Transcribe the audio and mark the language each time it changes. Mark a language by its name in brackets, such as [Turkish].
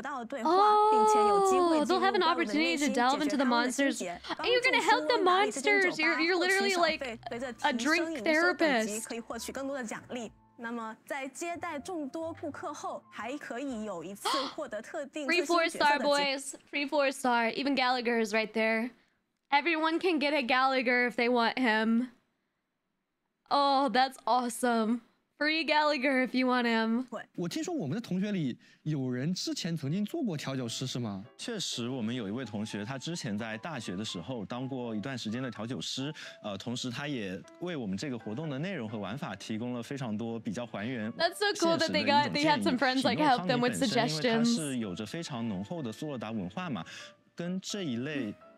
[Chinese] 然后开拓者们可以和他们谈谈心，可能会触发一些意想不到的对话，并且有机会进入到那个世界。 [English] Oh, they'll have an opportunity to delve into the monsters. You're gonna help the monsters. You're literally like a drink therapist. [Chinese] 可以获取更多的奖励。那么在接待众多顾客后，还可以有一次获得特定。 [English] Three four star boys, three four star. Even Gallagher is right there. Everyone can get a Gallagher if they want him. Oh, that's awesome. Free Gallagher if you want him. [Chinese] 我听说我们的同学里有人之前曾经做过调酒师，是吗？确实，我们有一位同学，他之前在大学的时候当过一段时间的调酒师，同时他也为我们这个活动的内容和玩法提供了非常多比较还原。 [English] That's so cool that they got, they had some friends like help them with suggestions. [Chinese] 是有着非常浓厚的苏洛达文化嘛，跟这一类。